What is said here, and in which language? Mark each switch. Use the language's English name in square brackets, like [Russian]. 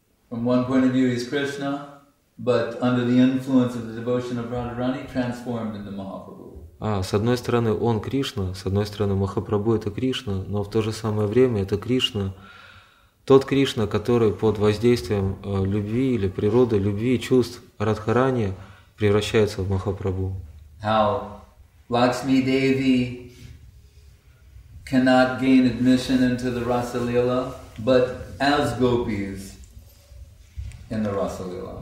[English] From one point of view, he's Krishna, but under the influence of the devotion of Radharani, transformed into Mahaprabhu. [Russian] С одной стороны, он Кришна, с одной стороны, Махапрабху — это Кришна, но в то же самое время это Кришна, тот Кришна, который под воздействием любви или природы любви и чувств Радхарани превращается в Махапрабху. [English] How Lakshmi Devi cannot gain admission into the Rasa Lila, but as gopis in the Rasa Lila.